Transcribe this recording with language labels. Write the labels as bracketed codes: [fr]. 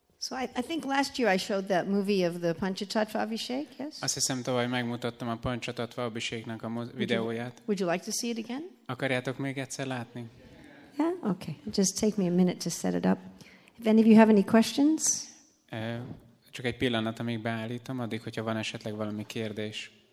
[en] I showed that movie of the Panchatattva Abhishek, yes? [hu] Azt hiszem, tavaly megmutattam a Panchatattva Abhishek-nek a videóját. [en] Would you like to see it again? [hu] Akarjátok még egyszer látni? [en] Yeah? Okay. Just take me a minute to set it up. If any of you have any questions? [hu] Csak egy pillanat, amíg beállítom, addig, hogyha van esetleg valami kérdés.